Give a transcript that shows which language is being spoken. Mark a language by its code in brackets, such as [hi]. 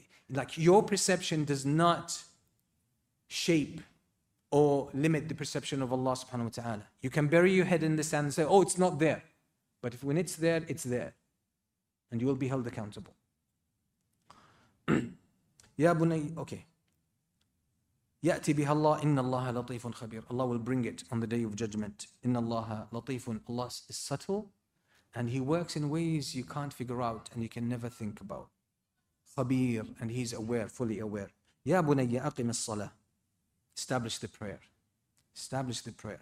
[en] Like, your perception does not shape or limit the perception of Allah subhanahu wa ta'ala. You can bury your head in the sand and say, oh, it's not there. But if when it's there, it's there. And you will be held accountable. [ar] Ya bunay, okay. يأتي بها الله إن الله لطيف خبير. [en] Allah will bring it on the day of judgment. [ar] إن الله لطيف. [en] Allah is subtle and He works in ways you can't figure out and you can never think about. خبير, and He's aware, fully aware. [ar] يا بني أقم الصلاة. [en] Establish the prayer. Establish the prayer.